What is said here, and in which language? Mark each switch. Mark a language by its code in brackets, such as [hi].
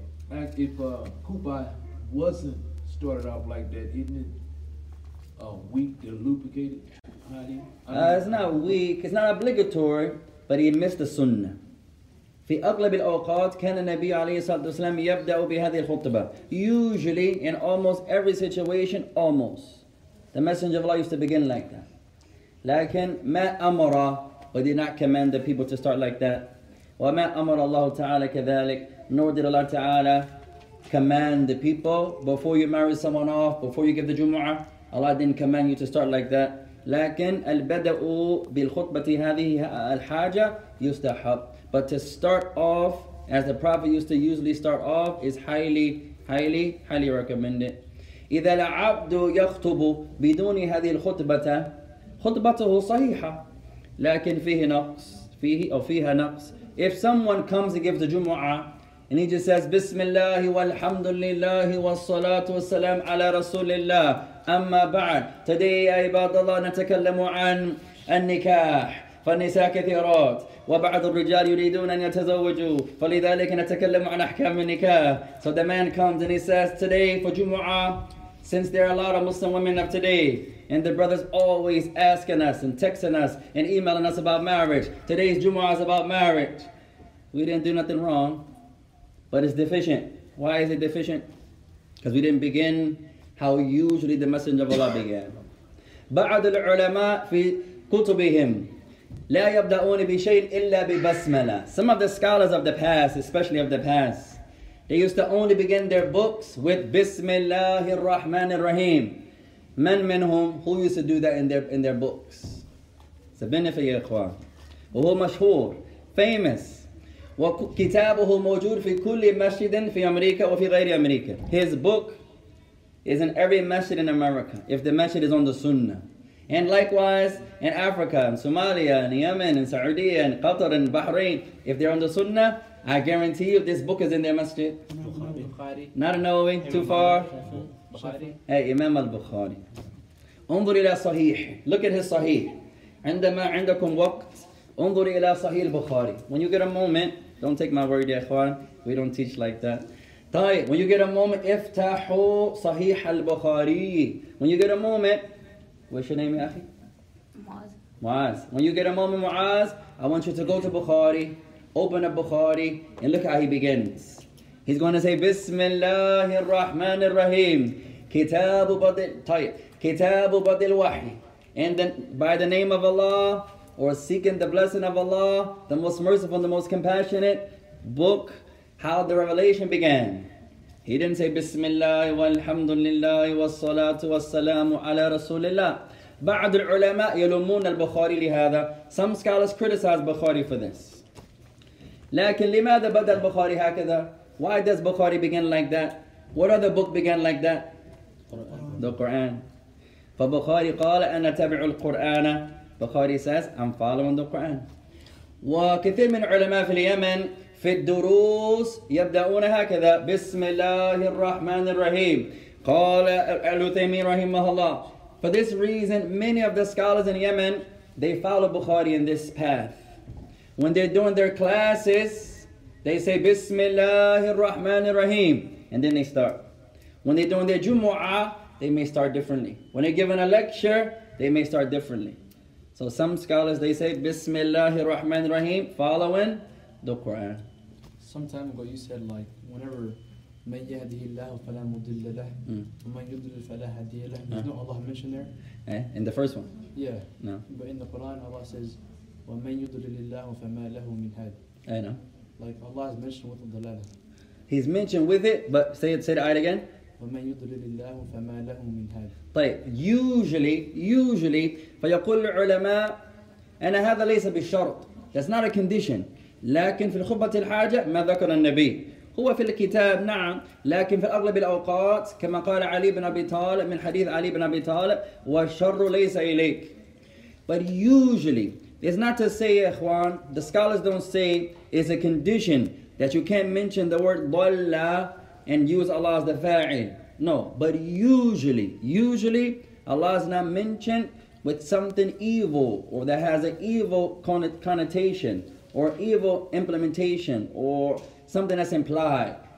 [en] If khutbah wasn't started off like that, isn't it weak, the lubricated hadith? It's not weak, it's not obligatory, but he missed the sunnah. [ar] في أغلب الأوقات كان النبي عليه الصلاة والسلام يبدأ بهذه الخطبة. [en] Usually, in almost every situation, almost, the Messenger of Allah used to begin like that. [ar] لكن ما أمر, [en] but did not command the people to start like that. [ar] وما أمر الله تعالى كذلك, [en] nor did Allah تعالى command the people before you marry someone off, before you give the Jumu'ah. Allah didn't command you to start like that. [ar] لكن البدأ بالخطبة هذه الحاجة يستحب. [en] But to start off, as the Prophet used to usually start off, is highly, highly, highly recommended. [ar] إذا العبد يخطب بدون هذه الخطبة, خطبته صحيحة. لكن فيه نقص, فيه أو فيها نقص. [en] If someone comes to give the Jumu'ah, and he just says, Bismillah, walhamdulillah, wassalatu wassalam ala rasulillah. [ar] أما بعد تدي يا عباد الله نتكلم عن النكاح فالنساء كثيرات وبعض الرجال يريدون أن يتزوجوا فلذلك نتكلم عن أحكام النكاح. [en] So the man comes and he says today for Jumu'ah, since there are a lot of Muslim women of today and the brothers always asking us and texting us and emailing us about marriage, today's Jumu'ah is about marriage. We didn't do nothing wrong, but it's deficient. Why is it deficient? Because we didn't begin how usually the Messenger of Allah began. [ar] بعض العلماء في كتبهم لا يبدأون بشيء إلا ببسملة. [en] Some of the scholars of the past, especially of the past, they used to only begin their books with Bismillah ar-Rahman ar-Rahim. Men منهم who used to do that in their books. It's a benefit, يا إخوان. [ar] وهو مشهور, [en] famous. [ar] وكتابه موجود في كل مسجد في أمريكا وفي غير أمريكا. [en] His book is in every masjid in America, if the masjid is on the Sunnah. And likewise, in Africa, in Somalia, in Yemen, in Saudi, in Qatar, in Bahrain, if they're on the Sunnah, I guarantee you this book is in their masjid. Bukhari. Not a Nawawi, too far. Bukhari. [ar] Hey, Imam al-Bukhari. انظر إلى صحيح. [en] Look at his [ar] صحيح. عندما عندكم وقت. انظر إلى صحيح البخاري. [en] When you get a moment, don't take my word, يا إخوان. We don't teach like that. طيب, when you get a moment, [ar] افتحوا صحيح البخاري. [en] When you get a moment, what's your name, يا أخي? Muaz. When you get a moment, Muaz, I want you to go to Bukhari, open up Bukhari, and look how he begins. He's going to say, Bismillah ar-Rahman ar-Rahim. [ar] Kitabu Badil, طيب. Kitabu Badil Wahi. [en] And then, by the name of Allah, or seeking the blessing of Allah, the most merciful, the most compassionate, book how the revelation began. He didn't say Bismillah walhamdulillah wa salatu wa salamu ala rasulillah. [ar] بعض العلماء يلومون البخاري لهذا. [en] Some scholars criticize Bukhari for this. [ar] لكن لماذا بدأ البخاري هكذا? [en] Why does Bukhari begin like that? What other book began like that? The Quran. [ar] فبخاري قال أنا تابع القرآن. [en] Bukhari says, I'm following the Quran. [ar] وكثير من علماء في اليمن في الدروس يبدأون هكذا بسم الله الرحمن الرحيم قال العثيمين رحمه الله. [en] For this reason, many of the scholars in Yemen, they follow Bukhari in this path. When they're doing their classes, they say [ar] بسم الله الرحمن الرحيم [en] and then they start. When they're doing their Jumu'ah, they may start differently. When they're giving a lecture, they may start differently. So some scholars, they say, Bismillah ar-Rahman ar-Rahim, following the Quran. Some time ago you said like, whenever [ar] مَنْ يَهْدِهِ اللَّهُ فَلَا مُضِلَّ لَهُ وَمَنْ يُضْلِلْ فَلَا هَدِيَ لَهُ. There's no Allah mentioned there. [en] Eh? In the first one? Yeah. No. But in the Quran, Allah says, [ar] وَمَنْ يُضْلِلِ اللَّهُ فَمَا لَهُ مِنْ هَدِ. [en] I know. Like Allah has mentioned with the dalala. He's mentioned with it, but say it out again. [ar] وَمَنْ يُضْلِلِ اللَّهُ فَمَا لَهُ مِنْ هَدِ. طيب, usually, فيقول العلماء, أنا هذا ليس بالشرط. [en] That's not a condition. [ar] لكن في الخطبة الحاجة ما ذكر النبي. هو في الكتاب نعم, لكن في أغلب الأوقات كما قال علي بن أبي طالب من حديث علي بن أبي طالب, والشر ليس إليك. [en] But usually, it's not to say, إخوان, the scholars don't say it's a condition that you can't mention the word ضلّ and use Allah as the فاعل. No, but usually, Allah is not mentioned with something evil or that has an evil connotation or evil implementation or something that's implied.